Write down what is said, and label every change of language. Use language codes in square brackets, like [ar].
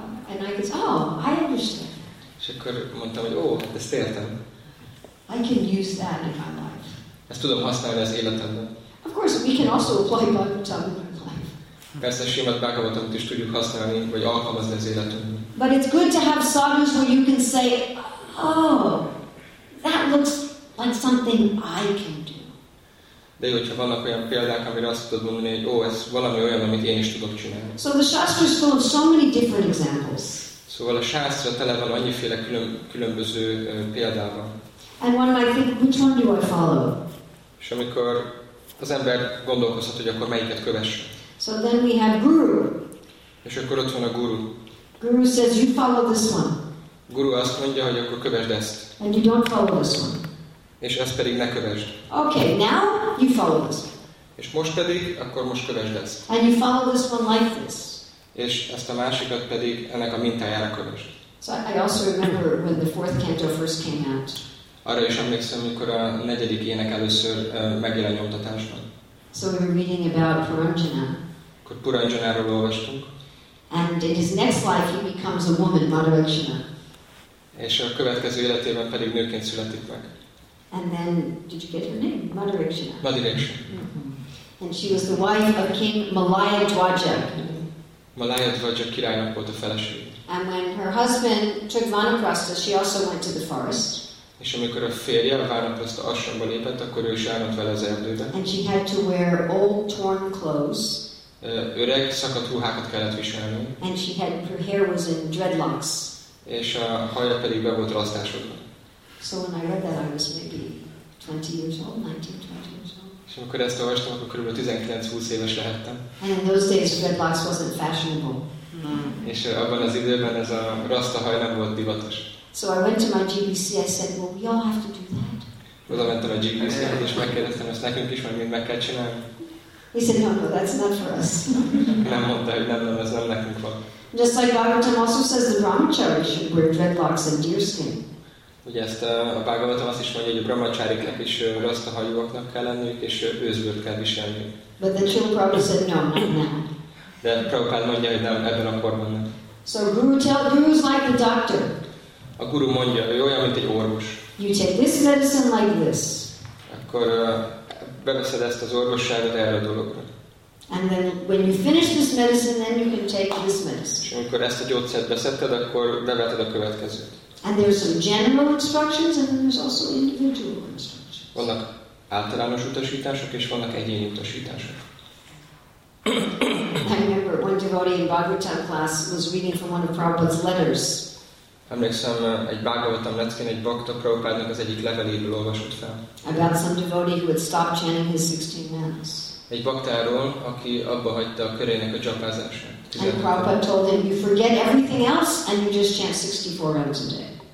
[en] And I said, oh, I understand. [hu] És akkor mondtam, hogy ó, hát ezt értem. [en] I can use that in my life. [hu] Ezt tudom használni az életemben. [en] Of course, we can also apply Bhagavatam. [hu] Persze, Srimad Bhagavatamot is tudjuk használni, vagy alkalmazni az életünkben. [en] But it's good to have sadhus where you can say, oh, that looks like something I can do. [hu] De jó, hogyha vannak olyan példák, amire azt tudod mondani, hogy ó, ez valami olyan, amit én is tudok csinálni. [en] So the Shastra is full of so many different examples. [hu] Szóval a Shastra tele van annyiféle különböző példával. [en] And one might think, which one do I follow? [hu] És amikor az ember gondolkozhat, hogy akkor melyiket kövesse. [en] So then we have Guru. [hu] És akkor ott van a Guru. [en] Guru says, you follow this one. [hu] Guru azt mondja, hogy akkor kövesd ezt. [en] And you don't follow this one. [hu] És ezt pedig ne kövesd. [en] Okay, now you follow this one. [hu] És most pedig, akkor most kövesd ezt. [en] And you follow this one like this. [hu] És ezt a másikat pedig ennek a mintájára kövesd. [en] So I also remember when the fourth canto first came out. [hu] Arra is emlékszem, amikor a negyedik ének először megjelen nyomtatásban. [en] So we were reading about Puranjana. [hu] Akkor Puranjanáról olvastunk. [en] And in his next life he becomes a woman, Madhavakshina. [hu] És a következő életében pedig nőként születik meg. [en] And then, did you get her name? Madhavakshina. [hu] Madhavakshina. Mm-hmm. [en] And she was the wife of King Malayadwaja. [hu] Malayadwaja királynak volt a feleség. [en] And when her husband took Vanaprastha, she also went to the forest. [hu] És amikor a férje a Vanaprastha ashramba lépett, akkor ő is elment vele az erdőbe. [en] And she had to wear old torn clothes. [hu] Öreg szakadt ruhákat kellett viselni. [en] And she had, her hair was in dreadlocks. [hu] És a haja pedig be volt rasztásodva. [en] So when I read that, I was maybe 20 years old, 19-20 years old. [hu] És amikor ezt olvastam, akkor körülbelül 19-20 éves lehettem. [en] And in those days, dreadlocks wasn't fashionable. [hu] És abban az időben ez a rasta haj nem volt divatos. [en] So I went to my GBC, I said, well, we all have to do that. [hu] Oda mentem a GBC-hez, és megkérdeztem, ezt nekünk is, mert mind meg kell csinálni. [en] He said, no, that's not for us. [hu] Nem mondta, hogy nem, ez nem nekünk van. [en] Just like Bhagavatam also says the Brahmacharis should wear dreadlocks and deerskin. [hu] Ugye ezt a Bhagavatam azt is mondja, hogy a brahmacháriknak is rasztahajúaknak kell lenniük, és őzből kell viselni. [en] But the Srila Prabhupada said, no, not now. [hu] De Prabhupada mondja, hogy nem, ebben a korban nem. [en] So Guru tell, Guru's like the doctor. [hu] A Guru mondja, ő olyan, mint egy orvos. [en] You take this medicine like this. [hu] Akkor beveszed ezt az orvosságot erre a dologra. [en] And then when you finish this medicine, then you can take this medicine. [hu] És amikor ezt a gyógyszert beszedted, akkor beveted a következőt. [en] And there are some general instructions and there's also individual instructions. [hu] Vannak általános utasítások és vannak egyéni utasítások. [en] I remember one devotee in Bhagavatam class was reading from one of Prabhupada's letters. [hu] Emlékszem, egy Bhagavatam leckén egy bhakta Prabhupádnak az egyik leveléből olvasott fel. [en] About some devotee who had stopped chanting his 16 mantras. [hu] Egy baktáról, aki abba hagyta a körének a japázását. [en] And Prabhupada told him, you forget everything else and you just chant 64 rounds a day.